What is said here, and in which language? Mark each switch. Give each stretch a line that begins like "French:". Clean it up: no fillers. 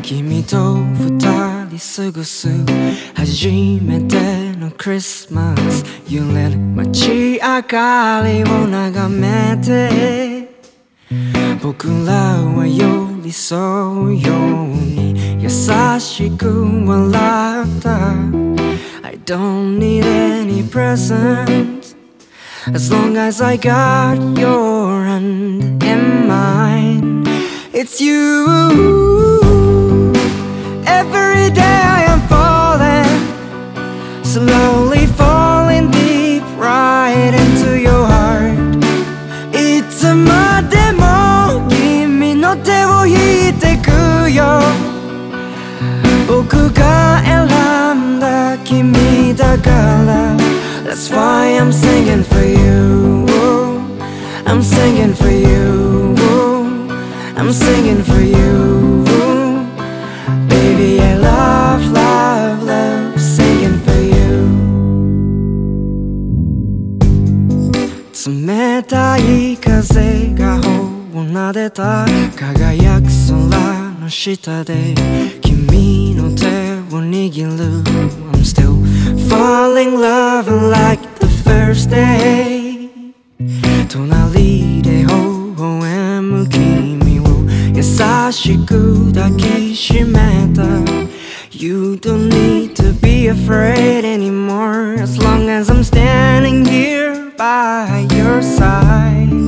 Japanese: 君と二人過ごす初めてのクリスマス。揺れる街明かりを眺めて、僕らは寄り添うように優しく笑った。
English: I don't need any present as long as I got your hand in mine. It's you. Every day I am falling, slowly falling deep right into your heart.
Japanese: いつまでも君の手を引いてくよ。僕が選んだ君だから。
English: That's why I'm singing for you. I'm singing for you. I'm singing for you. Baby, I love, love, love singing for you.
Japanese: 冷たい風が頬を撫でた。輝く空の下で君の手を握る。
English: I'm still falling in love like the first day.
Japanese: 隣で微笑む君を優しく抱きしめた。
English: You don't need to be afraid anymore as long as I'm standing here by your side.